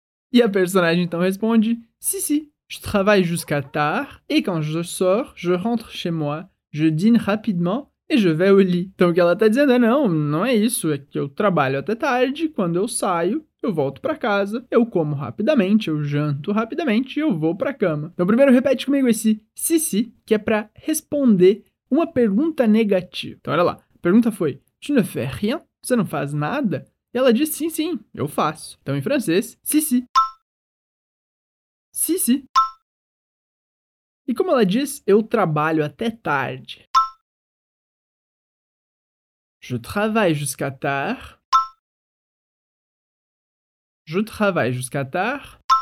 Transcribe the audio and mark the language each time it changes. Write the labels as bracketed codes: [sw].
[pt] E a personagem então responde, [fr] si, si, je travaille jusqu'à tard, et quand je sors, je rentre chez moi, je dîne rapidement, et je vais au lit. [pt] Então, o que ela está dizendo é, não, não é isso, é que eu trabalho até tarde, quando eu saio, eu volto para casa, eu como rapidamente, eu janto rapidamente e eu vou para a cama. Então, primeiro, repete comigo esse [fr] si, si, [pt] que é para responder uma pergunta negativa. Então, olha lá. A pergunta foi, [fr] tu ne fais rien? [pt] Você não faz nada? E ela diz, sim, sim, eu faço. Então, em francês, [fr] si, si. Si, si. [pt] E como ela diz, eu trabalho até tarde. [fr] Je travaille jusqu'à tard. Je travaille jusqu'à tard.